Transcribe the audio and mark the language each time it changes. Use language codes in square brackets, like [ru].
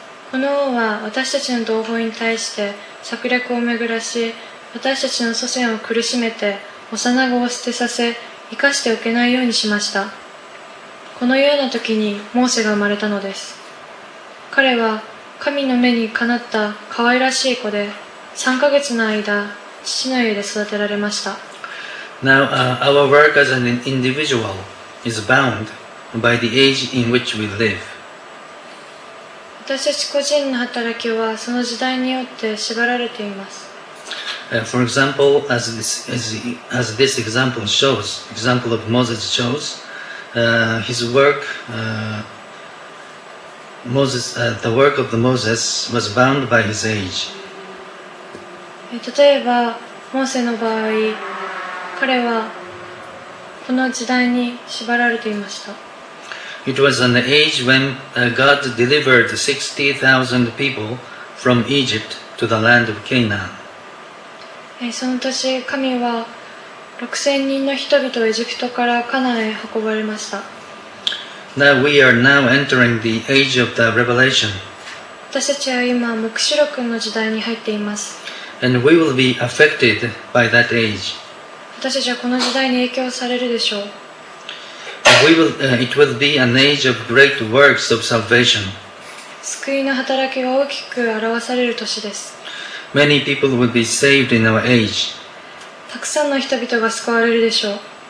[ja] この王は私たちの同胞に対して策略を巡らし、私たちの祖先を苦しめて幼子を捨てさせ、生かしておけないようにしました。このような時にモーセが生まれたのです。彼は神の目にかなった可愛らしい子で、3ヶ月の間父の家で育てられました。 [en] Now, our work as an individual is bound by the age in which we live. [ja] 私たち個人の働きはその時代によって縛られています。 [en] For example, as this example shows, example of Moses shows, his work, Moses, the work of the Moses was bound by his age. [ja] 例えば、モーセの場合、彼はこの時代に縛られていました。 [en] It was an age when God delivered 60,000 people from Egypt to the land of Canaan. [ja] その年、神は 6,000 人の人々をエジプトからカナンへ運ばれました。 [en] Now we are now entering the age of the revelation. [ja] 私たちは今、黙示録の時代に入っています。 [en] And we will be affected by that age. [ja] 私たちはこの時代に影響されるでしょう。 [en] It will be an age of great works of salvation. [ja] 救いの働きが大きく表される年です。 [en] Many people will be saved in our age. [ja] たくさんの人々が救われるでしょう。